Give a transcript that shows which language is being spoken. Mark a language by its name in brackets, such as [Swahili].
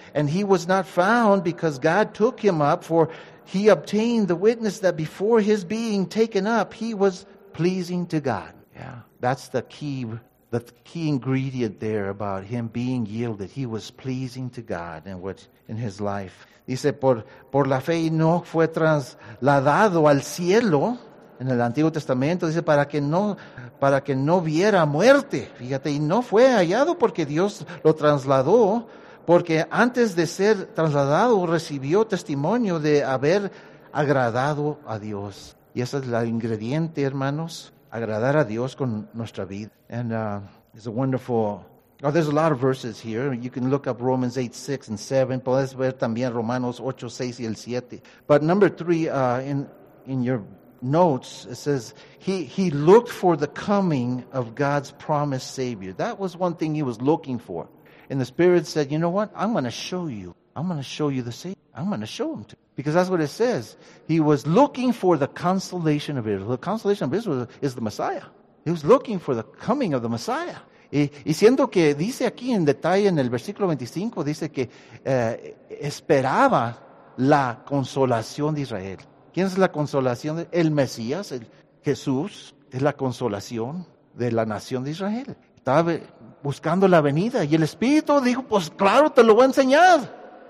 [English] And he was not found because God took him up, for he obtained the witness that before his being taken up, he was pleasing to God. Yeah, that's the key ingredient there about him being yielded. He was pleasing to God in his life. [Spanish] Dice, por la fe Enoch fue trasladado al cielo en el Antiguo Testamento, dice, para que no viera muerte. Fíjate, y no fue hallado porque Dios lo trasladó, porque antes de ser trasladado recibió testimonio de haber agradado a Dios. Y ese es el ingrediente, hermanos, agradar a Dios con nuestra vida. [English] It's a wonderful... Oh, there's a lot of verses here. You can look up Romans 8, 6, and 7. [Spanish] Puedes ver también Romanos 8, 6 y el 7. [English] But number 3, in your notes, it says, he looked for the coming of God's promised Savior. That was one thing he was looking for. And the Spirit said, you know what? I'm going to show you the Savior. I'm going to show him to you. Because that's what it says. He was looking for the consolation of Israel. The consolation of Israel is the Messiah. He was looking for the coming of the Messiah. [Spanish] Y siendo que dice aquí en detalle en el versículo 25, dice que esperaba la consolación de Israel. ¿Quién es la consolación? El Mesías, el Jesús, es la consolación de la nación de Israel. Estaba buscando la venida y el Espíritu dijo, pues claro, te lo voy a enseñar.